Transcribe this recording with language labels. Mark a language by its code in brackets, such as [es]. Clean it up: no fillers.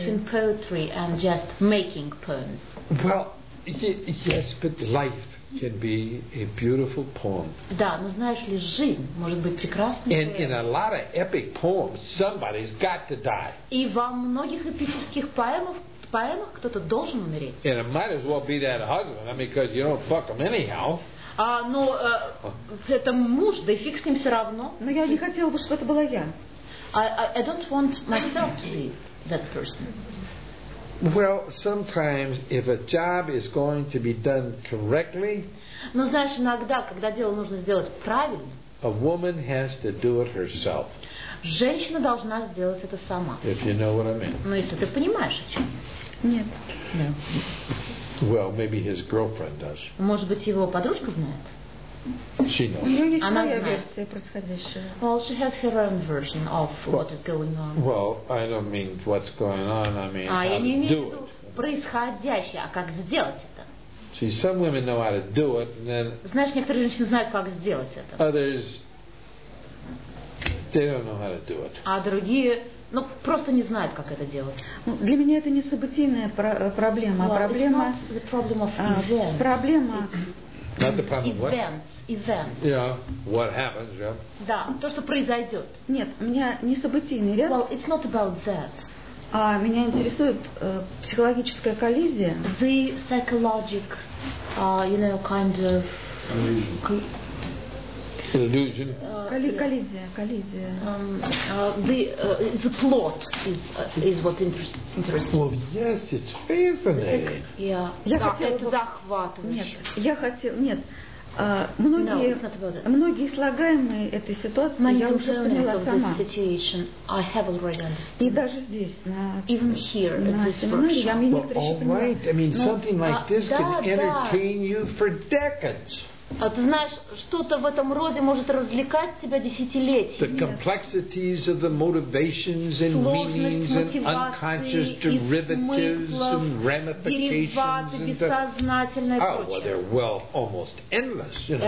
[en] Between poetry and just making poems. Well, yes, but life can be a beautiful poem. [ru] Да, но знаешь ли, жизнь может быть прекрасной поэзией. [en] And in a lot of epic poems, somebody's got to die. [ru] И во многих эпических поэмах кто-то должен умереть. [en] And it might as well be that husband, I mean, because you don't fuck him anyhow. [ru] Но это муж, да и фиг с ним все равно. Но я не хотела бы, чтобы это была я. [en] I don't want myself to be that person. Well, sometimes if a job is going to be done correctly, [ru] но знаешь, иногда, когда дело нужно сделать правильно, [en] a woman has to do it herself. [ru] Женщина должна сделать это сама. [en] If you know what I mean. [ru] Но если ты понимаешь, о чем? Нет. [en] No. Well, maybe his girlfriend does. [ru] Может быть, его подружка знает. [en] She knows. [ru] Она знает. Своя версия происходящего. [en] Well, she has her own version of what is going on. Well, I don't mean what's going on. I mean how to do it. [ru] Я не имею в виду происходящее, а как сделать это. [en] See, some women know how to do it, and then. [ru] Знаешь, некоторые женщины знают, как сделать это. [en] Others, they don't know how to do it. [ru] А другие, ну, просто не знают, как это делать. Ну, для меня это не событийная проблема, [en] well, [ru] а проблема. [en] It's not the problem of event. [ru] Проблема. [en] Not the problem of what? Event. Yeah. What happens, yeah. [ru] Да, то, что произойдет. Нет, у меня не событийный ряд. [en] Well, it's not about that. [ru] А меня интересует психологическая коллизия. [en] The psychological, you know, kind of. Illusion. [ru] Коллизия. [en] The plot is what interests. Well, yes, it's fascinating. [ru] Yeah. Это захватывающе. Нет, я хотел. Нет. Многие слагаемые этой ситуации [en] many [ru] я уже поняла сама. [en] I have already understood. [ru] И даже здесь, на [en] even here, [ru] на семинаре, я [en] well, [ru] некоторые [en] right. I mean, something like this can entertain you for decades. [ru] А ты знаешь, что-то в этом роде может развлекать тебя десятилетиями. [en] The complexities of the motivations and meanings and unconscious derivatives and ramifications and the... Oh, well, they're well, almost endless, you know.